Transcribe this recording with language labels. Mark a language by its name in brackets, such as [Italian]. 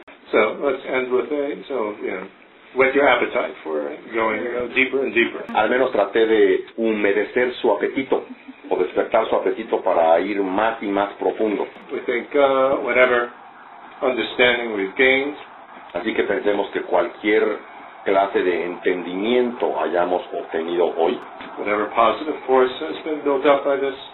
[English] So let's end with a, so yeah, with your appetite for going deeper and deeper. [Spanish] Al menos traté de humedecer su apetito o despertar su apetito para ir más y más profundo. [English] We think whatever understanding we've gained. [Spanish] Así que pensemos que cualquier clase de entendimiento hayamos obtenido hoy, [English] whatever positive force has been built up by this,